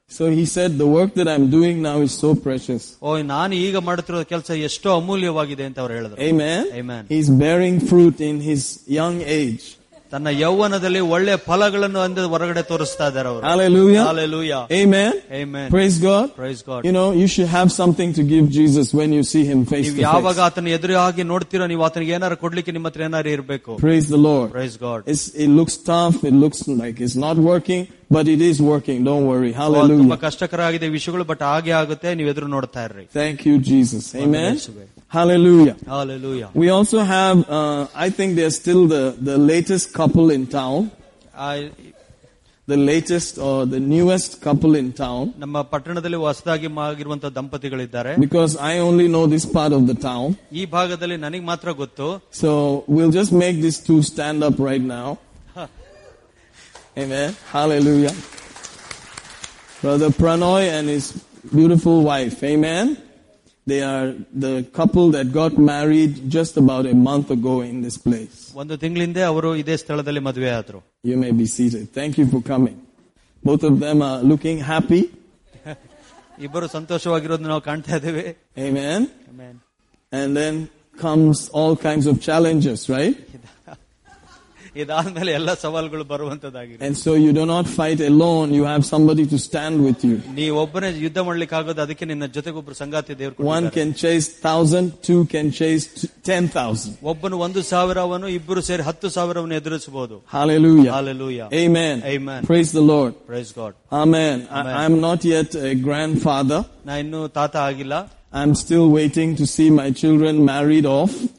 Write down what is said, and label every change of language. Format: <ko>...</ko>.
<en>So he said the work that I am doing now is so precious.</en> <kn>ಓ ನಾನು ಈಗ ಮಾಡುತ್ತಿರೋ ಕೆಲಸ ಎಷ್ಟು ಅಮೂಲ್ಯವಾಗಿದೆ ಅಂತ ಅವ್ರು ಹೇಳಿದ್ರು.</kn> <en>Amen amen. He is bearing fruit in his young age.</en> <kn>ತನ್ನ ಯೌವನದಲ್ಲಿ ಒಳ್ಳೆ ಫಲಗಳನ್ನು ಅಂದ ಹೊರಗಡೆ ತೋರಿಸ್ತಾ ಇದ್ದಾರೆ ಅವರು.</kn> <en>Hallelujah. Hallelujah. Amen. Amen. Praise God. Praise God. You know, you should have something to give Jesus when you see him face to face.</en> <kn>ಯಾವಾಗ ಆತನ ಎದುರಾಗಿ ನೋಡ್ತೀರೋ ನೀವು ಆತನಿಗೆ ಏನಾದ್ರು ಕೊಡ್ಲಿಕ್ಕೆ ನಿಮ್ಮ ಹತ್ರ ಏನಾದ್ರು ಇರಬೇಕು.</kn> <en>Praise the Lord. Praise God. It looks tough, it looks like it's not working, but it is working. Don't worry. Hallelujah.</en> <kn>ತುಂಬಾ ಕಷ್ಟಕರ ಆಗಿದೆ ವಿಷಯಗಳು, ಬಟ್ ಆಗೇ ಆಗುತ್ತೆ, ನೀವು ಎದುರು ನೋಡ್ತಾ ಇರ್ರಿ.</kn> <en>Thank you, Jesus. Amen. Hallelujah. Hallelujah. We also have, I think they are still the latest couple in town. The latest or the newest couple in town.</en> <kn>ನಮ್ಮ ಪಟ್ಟಣದಲ್ಲಿ ಹೊಸದಾಗಿ ಆಗಿರುವಂತಹ ದಂಪತಿಗಳಿದ್ದಾರೆ.</kn> <en>Because I only know this part of the town.</en> <kn>ಈ ಭಾಗದಲ್ಲಿ ನನಗೆ ಮಾತ್ರ ಗೊತ್ತು.</kn> <en>So we'll just make these two stand up right now. Amen. Hallelujah. Brother Pranoy and his beautiful wife. Amen. They are the couple that got married just about a month ago in this place.</en> <kn>ಒಂದು ತಿಂಗಳಿಂದೆ ಅವರು ಇದೇ ಸ್ಥಳದಲ್ಲಿ ಮದುವೆ ಆದರು.</kn> <en>You may be seated. Thank you for coming. Both of them are looking happy.</en> <kn>ಇಬ್ಬರು ಸಂತೋಷವಾಗಿರೋದು ನಾವು ಕಾಣ್ತಾ ಇದ್ದೇವೆ.</kn> <en>Amen. Amen. And then comes all kinds of challenges, right?</en> <kn>ಇದಾದ್ಮೇಲೆ ಎಲ್ಲ ಸವಾಲುಗಳು ಬರುವಂತದಾಗಿದೆ.</kn> <en>And so you do not fight alone, you have somebody to stand with you.</en> <kn>ನೀ ಒಬ್ಬನೇ ಯುದ್ಧ ಮಾಡ್ಲಿಕ್ಕೆ ಆಗೋದು, ಅದಕ್ಕೆ ನಿನ್ನ ಜೊತೆಗೆ ಒಬ್ಬರು ಸಂಗಾತಿ ದೇವರು.</kn> <en>One can chase 1,000, two can chase 10,000.</en> <kn>ಒಬ್ಬನು 1,000, ಇಬ್ಬರು ಸೇರಿ 10,000 ಎದುರಿಸಬಹುದು.</kn> <en>Hallelujah. Hallelujah. Amen. Amen. Praise the Lord. Praise God. Amen. I am not yet a grandfather.</en> <kn>ನಾ ಇನ್ನು ತಾತ ಆಗಿಲ್ಲ.</kn> <en>I'm still waiting to see my children married off.</en>